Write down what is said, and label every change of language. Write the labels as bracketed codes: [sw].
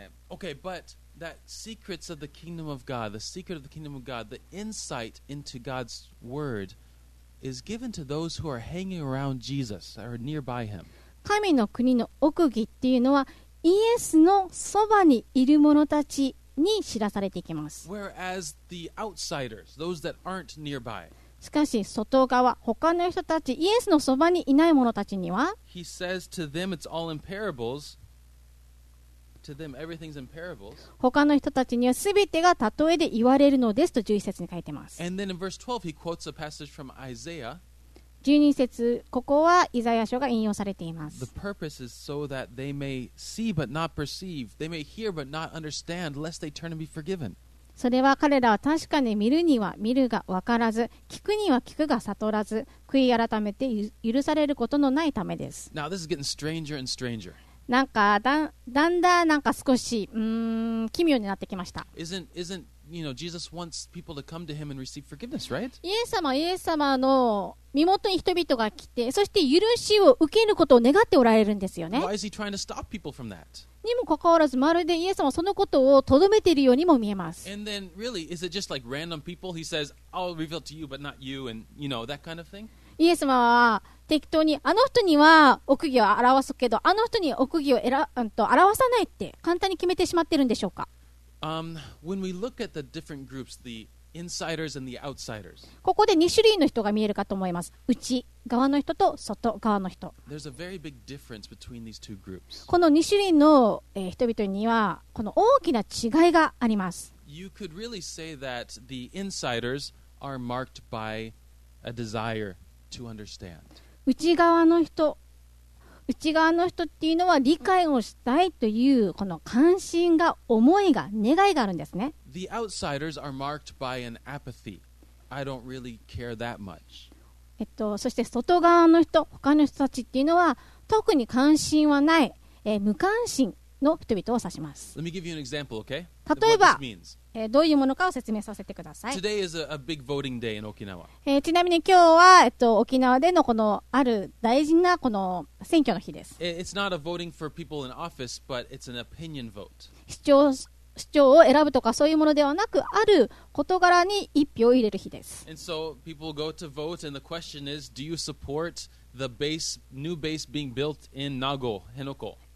[en] Okay, but that secrets of the kingdom of God, the secret of the kingdom of God, the insight into God's word is given to those who are hanging around Jesus or nearby him. [ja] 神の国の奥義っていうのはイエスのそばにいる者たちに知らされていきます。 [en] Whereas the outsiders, those that aren't nearby, [ja] しかし外側、他の人たち、イエスのそばにいない者たちには、 [en] He says to them, it's all in parables. To them, everything's in parables. [ja] 他の人たちには全てが例えで言われるのですと11節に書いてます。 [en] And then in verse 12, he quotes a passage from Isaiah. [ja] 12節、ここはイザヤ書が引用されています。 [en] The purpose is so that they may see but not perceive, they may hear but not understand, lest they turn and be forgiven. [ja] それは彼らは確かに見るには見るが分からず、聞くには聞くが悟らず、悔い改めて許されることのないためです。 [en] Now this is getting stranger and stranger. [ja] なんか だんだんなんか少し奇妙になってきました。 [en] Jesus wants people to come to him and receive forgiveness, right? [ja] イエス様の身元に人々が来て、そして許しを受けることを願っておられるんですよね。 [en] Why is he trying to stop people from that? [ja] にもかかわらず、まるでイエス様はそのことをとどめているようにも見えます。 [en] And then, really, is it just like random people? He says, I'll reveal to you, but not you, and you know, that kind of thing? [ja] イエス様は適当にあの人には奥義を表すけどあの人に奥義を表さないって簡単に決めてしまってるんでしょうか。 [en] When we look at the different groups, the insiders and the outsiders. [ja] ここで2種類の人が見えるかと思います。内側の人と外側の人。 [en] There's a very big difference between these two groups. [ja] この2種類の人々にはこの大きな違いがあります。 [en] You could really say that the insiders are marked by a desire. To understand. [ja] 内側の人っていうのは理解をしたいというこの関心が思いが願いがあるんですね。 [en] The outsiders are marked by an apathy. I don't really care that much. [ja] そして外側の人、他の人たちっていうのは特に関心はない、無関心の人々を指します。 [en] Let me give you an example, okay? [ja] 例えば、どういうものかを説明させてください。 [en] Today is a big voting day in Okinawa. [ja] ちなみに今日は、沖縄でのこのある大事なこの選挙の日です。 [en] It's not a voting for people in office, but it's an opinion vote. [ja] 市長を選ぶとかそういうものではなく、ある事柄に一票を入れる日です。 [en] And so people go to vote, and the question is, do you support the base, new base being built in Nago, Henoko?